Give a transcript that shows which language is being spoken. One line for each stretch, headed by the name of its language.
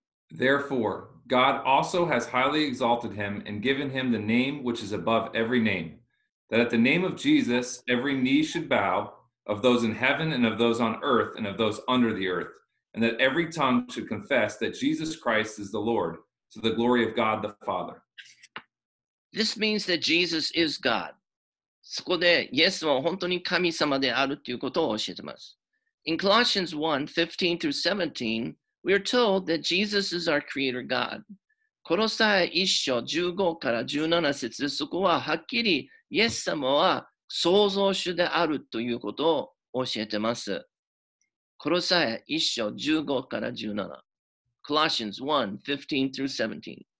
English: Therefore,God also has highly exalted him and given him the name which is above every name, that at the name of Jesus every knee should bow, of those in heaven and of those on earth and of those under the earth, and that every tongue should confess that Jesus Christ is the Lord, to the glory of God the Father. This means that Jesus is God.
Japanese: そこでイエスは本当に神様であるということを教えています。
English: In Colossians 1:15-17,We are told that Jesus is our Creator God.
Japanese: コロサイ一章十五から十七節でそこははっきりイエス様は創造主であるということを教えてます。コロサイ一章十五から十七。
English: Colossians 1:15-17.